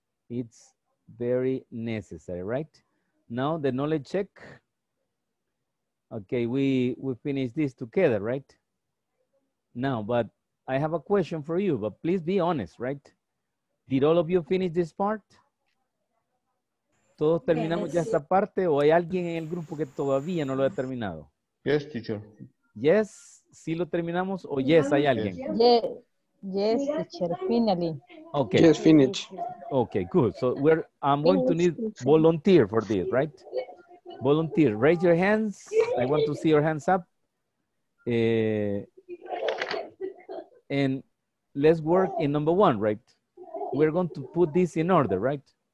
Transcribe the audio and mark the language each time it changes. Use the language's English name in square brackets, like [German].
[English] It's very necessary, right? Now the knowledge check. Okay, we finished this together, right? Now, but I have a question for you, but please be honest, right? Did all of you finish this part? [Spanish] ¿Todos terminamos ya esta parte o hay alguien en el grupo que todavía no lo ha terminado? [English] Yes, teacher. [Spanish] Yes, sí lo terminamos o yes, hay alguien. [English] Yes, teacher, finally. Okay. Yes, finish. Okay, good. So I'm going to need volunteer for this, right? Volunteer, raise your hands. I want to see your hands up. And let's work in number one, right? We're going to put this in order, right?